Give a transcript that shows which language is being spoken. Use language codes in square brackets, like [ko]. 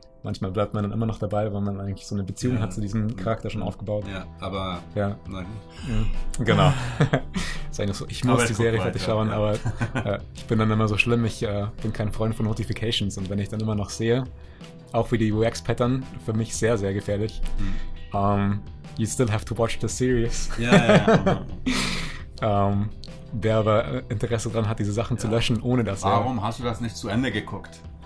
[de] Manchmal bleibt man dann immer noch dabei, weil man eigentlich so eine Beziehung hat zu diesem Charakter schon aufgebaut. Ja, aber ja. Nein. Ja. Genau. Ist eigentlich so, ich muss aber die Serie fertig schauen, aber ich bin dann immer so schlimm, ich bin kein Freund von Notifications und wenn ich dann immer noch sehe, auch wie die UX-Pattern, für mich sehr, sehr gefährlich. [en] You still have to watch the series. [de] Ja, ja, ja. Wer aber Interesse daran hat, diese Sachen zu löschen, ohne das. Warum hast du das nicht zu Ende geguckt?